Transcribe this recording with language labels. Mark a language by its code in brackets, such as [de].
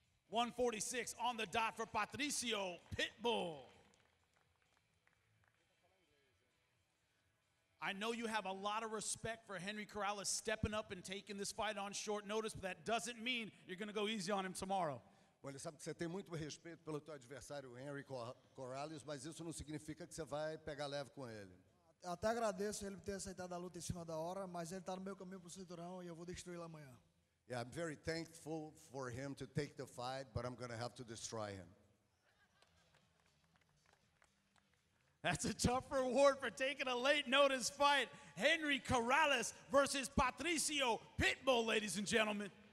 [en] .146 on the dot for Patricio Pitbull. I know you have a lot of respect for Henry Corrales stepping up and taking this fight on short notice, but that doesn't mean you're going to go easy on him tomorrow. [pt] Você sabe que você tem muito respeito pelo teu adversário Henry Corrales, mas isso não significa que você vai pegar leve com ele. Até agradeço ele ter aceitado a luta em cima da hora, mas ele está no meu caminho pro cinturão e eu vou destruí-lo amanhã. [en] Yeah, I'm very thankful for him to take the fight, but I'm going to have to destroy him. That's a tough reward for taking a late notice fight. Henry Corrales versus Patricio Pitbull, ladies and gentlemen.